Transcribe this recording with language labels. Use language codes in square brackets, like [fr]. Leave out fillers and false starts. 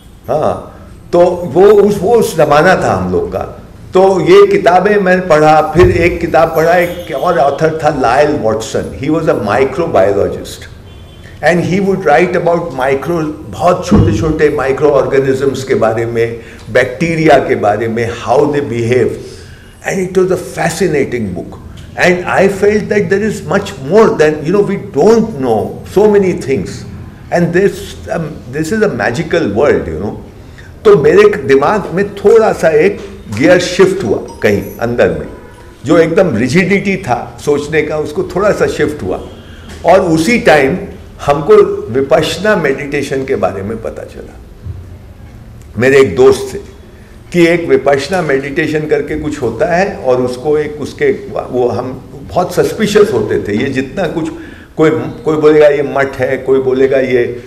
[hi] हाँ तो वो उस जमाना था हम लोग का तो ये किताबें मैंने पढ़ा फिर एक किताब पढ़ा एक और ऑथर था Lyell Watson [en] he was a microbiologist and he would write about micro [hi] बहुत छोटे छोटे माइक्रो ऑर्गेनिजम्स के बारे में बैक्टीरिया के बारे में [en] How they behave and it was a fascinating book And I felt that there is much more than, you know, we don't know so many things. And this is a magical world, you know. [hi] तो मेरे दिमाग में थोड़ा सा एक gear shift हुआ कहीं अंदर में जो एकदम रिजिडिटी था सोचने का उसको थोड़ा सा शिफ्ट हुआ और उसी टाइम हमको विपश्यना मेडिटेशन के बारे में पता चला मेरे एक दोस्त से कि एक विपश्यना मेडिटेशन करके कुछ होता है और उसको एक उसके वो हम बहुत सस्पिशियस होते थे ये जितना कुछ कोई कोई बोलेगा ये मठ है कोई बोलेगा ये